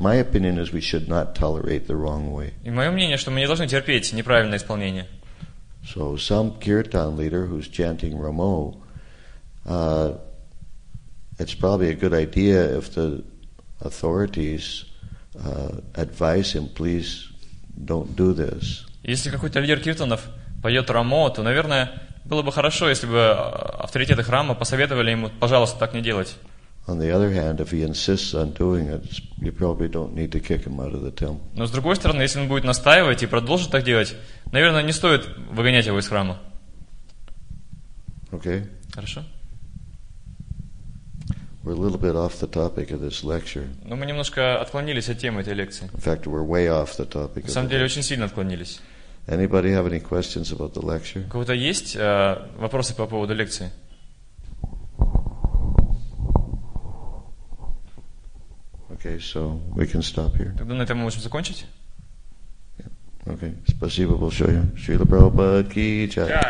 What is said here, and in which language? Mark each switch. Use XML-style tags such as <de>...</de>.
<en>My opinion is we should not tolerate the wrong way.</en> <ru>И мое мнение, что мы не должны терпеть неправильное исполнение.</ru> <en>So some kirtan leader who's chanting Ramo, it's probably a good idea if the authorities advise him, please don't do this.</en> <ru>Если какой-то лидер киртанов поет Рамо, то, наверное, было бы хорошо, если бы авторитеты храма посоветовали ему, пожалуйста, так не делать.</ru> <en>On the other hand, if he insists on doing it, you probably don't need to kick him out of the temple.</en> <ru>Но с другой стороны, если он будет настаивать и продолжит так делать, наверное, не стоит выгонять его из храма.</ru> <en>Okay.</en> <ru>Хорошо.</ru> <en>We're a little bit off the topic of this lecture.</en> <ru>Но мы немножко отклонились от темы этой лекции.</ru> <en>In fact, we're way off the topic.</en> <ru>На самом деле, очень сильно отклонились.</ru> <en>Anybody have any questions about the lecture?</en> <ru>У кого-то есть вопросы по поводу лекции?</ru> <en>Okay, so we can stop here.</en> <ru>Тогда на этом мы можем закончить? Okay. Спасибо большое. Шрила Прабхупада ки чай.</ru>